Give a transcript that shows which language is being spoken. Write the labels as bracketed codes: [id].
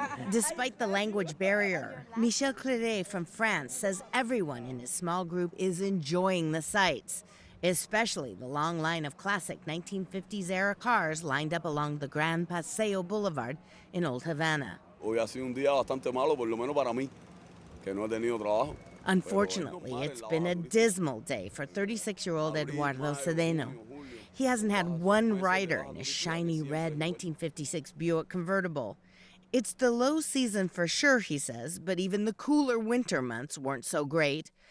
[en] Despite the language barrier, Michel Cléret from France says everyone in his small group is enjoying the sights, especially the long line of classic 1950s-era cars lined up along the Grand Paseo Boulevard in Old Havana. [es] Hoy ha sido un día bastante malo, por lo menos para mí. [en] Unfortunately, it's been a dismal day for 36-year-old Eduardo Sedeno. He hasn't had one rider in his shiny red 1956 Buick convertible. It's the low season for sure, he says, but even the cooler winter months weren't so great.